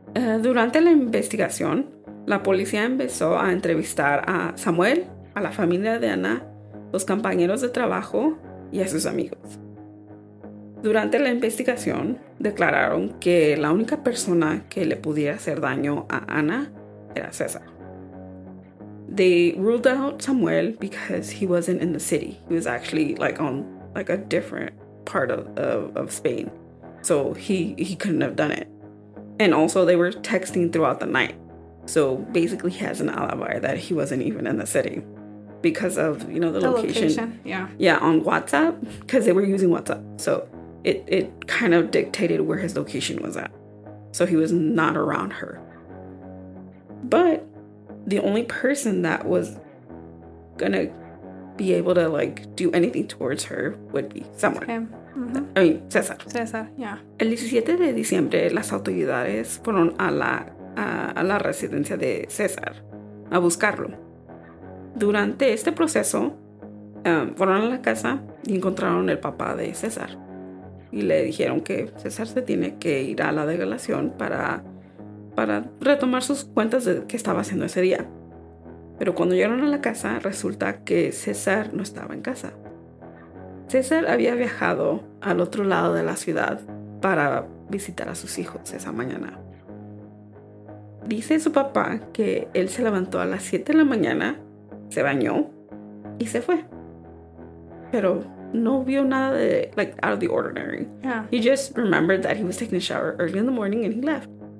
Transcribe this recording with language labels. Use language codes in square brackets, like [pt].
[es] Durante la investigación, la policía empezó a entrevistar a Samuel, a la familia de Ana, los compañeros de trabajo y a sus amigos. Durante la investigación, declararon que la única persona que le pudiera hacer daño a Ana era César. [en] They ruled out Samuel because he wasn't in the city. He was actually like on like a different part of Spain. So he couldn't have done it. And also they were texting throughout the night. So basically he has an alibi that he wasn't even in the city because of, you know, the location. Yeah, on WhatsApp, because they were using WhatsApp. So it kind of dictated where his location was at. So he was not around her. But the only person that was gonna be able to like do anything towards her would be someone. Him. Mm-hmm. I mean, César. César, yeah. [es] El 17 de diciembre, las autoridades fueron a la residencia de César a buscarlo. Durante este proceso, fueron a la casa y encontraron el papá de César. Y le dijeron que César se tiene que ir a la delegación para retomar sus cuentas de qué estaba haciendo ese día. Pero cuando llegaron a la casa, resulta que César no estaba en casa. César había viajado al otro lado de la ciudad para visitar a sus hijos esa mañana. Dice su papá que él se levantó a las 7 de la mañana, se bañó y se fue. Pero no vio nada de, [en] like, out of the ordinary. Yeah. He just remembered that he was taking a shower early in the morning and he left.